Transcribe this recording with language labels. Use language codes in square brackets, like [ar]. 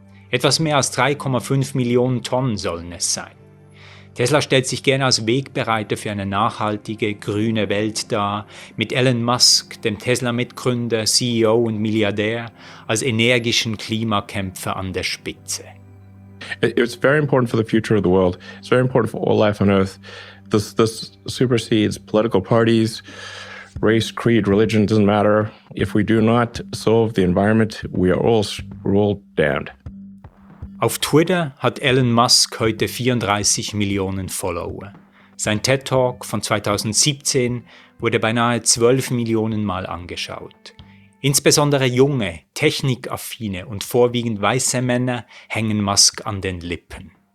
[de] Etwas mehr als 3,5 Millionen Tonnen sollen es sein. Tesla stellt sich gerne als Wegbereiter für eine nachhaltige, grüne Welt dar, mit Elon Musk, dem Tesla-Mitgründer, CEO und Milliardär, als energischen Klimakämpfer an der Spitze. [en] It's very important for the future of the world. It's very important for all life on Earth. This supersedes political parties, race, creed, religion, doesn't matter. If we do not solve the environment, we are all damned. [de] Auf Twitter hat Elon Musk heute 34 Millionen Follower. Sein TED-Talk von 2017 wurde beinahe 12 Millionen Mal angeschaut. Insbesondere junge, technikaffine und vorwiegend weiße Männer hängen Musk an den Lippen.